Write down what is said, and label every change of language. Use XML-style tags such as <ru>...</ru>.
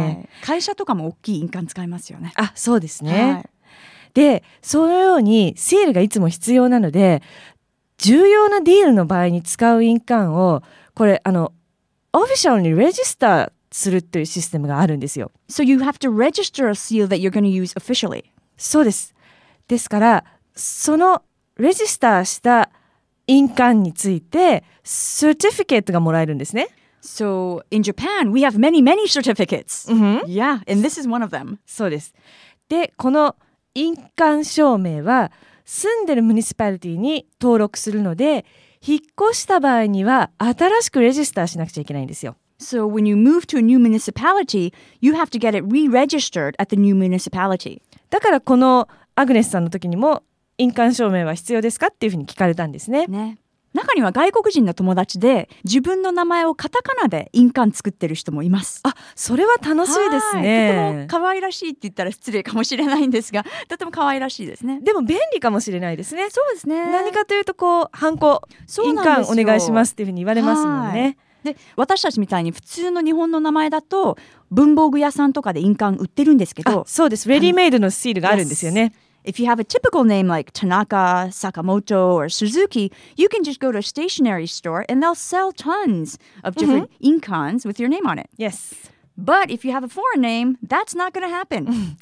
<ja>はい、会社とかも大きい印鑑使いますよね。あ、そうですね、はい、でそのようにシールがいつも必要なので、重要なディールの場合に使う印鑑をこれオフィシャルにレジスターするというシステムがあるんですよ。</ja> <en>So you have to register a seal that you're going to use officially.</en> <ja>そうです。ですからそのレジスターした印鑑について certificate がもらえるんですね。</ja> <en>So in Japan we have many many certificates、 mm-hmm. Yeah, and this is one of them.</en> <ja>そうです。でこの印鑑証明は住んでるムニシパリティに登録するので、引っ越した場合には新しくレジスターしなくちゃいけないんですよ。</ja> <en>So when you move to a new municipality, you have to get it re-registered at the new municipality.</en> <ja>だからこのアグネスさんの時にも印鑑証明は必要ですかっていうふうに聞かれたんです ね。中には外国人の友達で自分の名前をカタカナで印鑑作ってる人もいます。あ、それは楽しいですね。とても可愛らしいって言ったら失礼かもしれないんですが、とても可愛らしいですね。でも便利かもしれないですね。そうですね。何かというとこうハンコ、印鑑お願いしますっていうふうに言われますもんね。で、私たちみたいに普通の日本の名前だと文房具屋さんとかで印鑑売ってるんですけど、あ、そうです、レディメイドのシールがあるんですよね。</ja> <en>If you have a typical name like Tanaka, Sakamoto, or Suzuki, you can just go to a stationery store and they'll sell tons of different inkans with your name on it. Yes. But if you have a foreign name, that's not going to happen.</en>